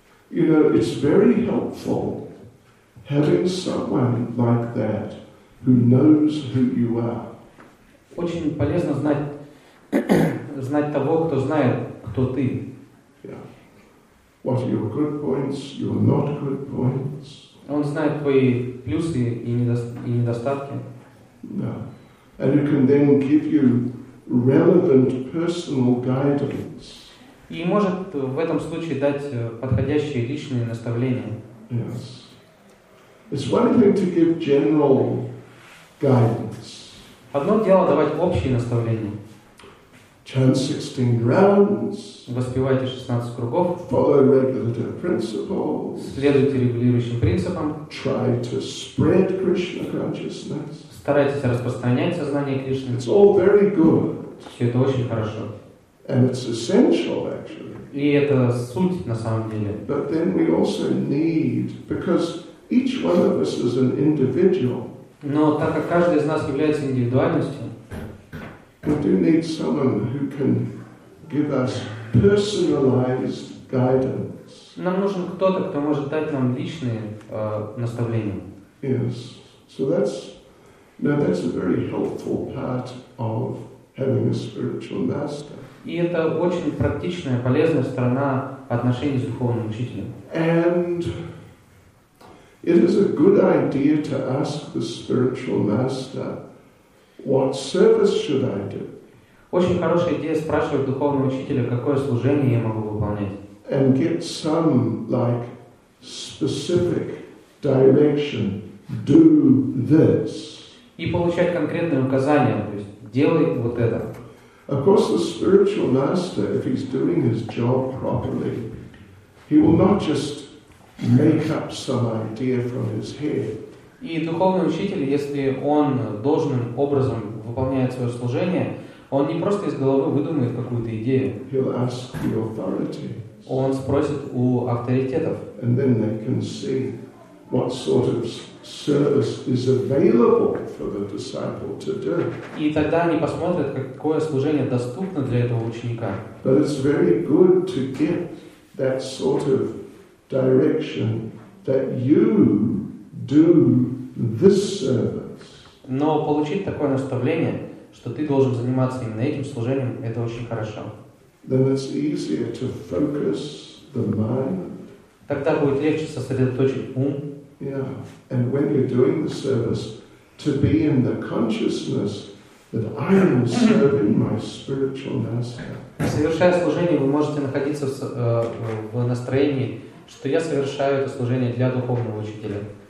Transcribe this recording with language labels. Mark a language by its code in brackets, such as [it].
[en] You know, it's very helpful having someone like that who knows who you are. [ru] Очень полезно знать того, кто знает, кто ты. [en] Yeah. What are your good points? Your not good points? [ru] Он знает твои плюсы и недостатки. [en] Yeah. And he can then give you relevant personal guidance. [ru] И может в этом случае дать подходящие личные наставления. [en] Yes. It's one thing to give general guidance. [ru] Одно дело давать общие наставления. [en] Chant 16 rounds. [ru] Воспевайте 16 кругов. [en] Follow regulative principles. [ru] Следуйте регулирующим принципам. [en] Try to spread Krishna consciousness. [ru] Старайтесь распространять сознание Кришны. [en] It's all very good. [ru] Все это очень хорошо. [en] And it's essential, actually. [ru] И это суть на самом деле. [en] But then we also need, because each one of us is an individual. [ru] Но так как каждый из нас является индивидуальностью, [en] we do need someone who can give us personalized guidance. [ru] Нам нужен кто-то, кто может дать нам личные наставления. [en] Yes. So that's a very helpful part of having a spiritual master. [ru] И это очень практичная, полезная сторона отношений с духовным учителем. [en] And it is a good idea to ask the spiritual master, what service should I do? [ru] Очень хорошая идея спрашивать духовного учителя, какое служение я могу выполнять. [en] And get some specific direction. Do this. [ru] И получать конкретные указания, то есть делай вот это. [en] Of course, the spiritual master, if he's doing his job properly, he will not just make up some idea from his head. [ru] И духовный учитель, если он должным образом выполняет свое служение, он не просто из головы выдумает какую-то идею. [en] He'll ask the authorities. [ru] Он спросит у авторитетов. [en] And then they can see what sort of service is available for the disciple to do. [ru] И тогда они посмотрят, какое служение доступно для этого ученика. [en] But it's very good to get that sort of direction that you do this service. [ru] Но получить такое наставление, что ты должен заниматься именно этим служением, это очень хорошо. [en] Then it's easier to focus the mind. [ru] Тогда будет легче сосредоточить ум. [en] Yeah, and when you're doing the service, to be in the consciousness that I am serving my spiritual master. [ru] Совершая служение, вы можете находиться в настроении, что я совершаю это служение для духовного учителя.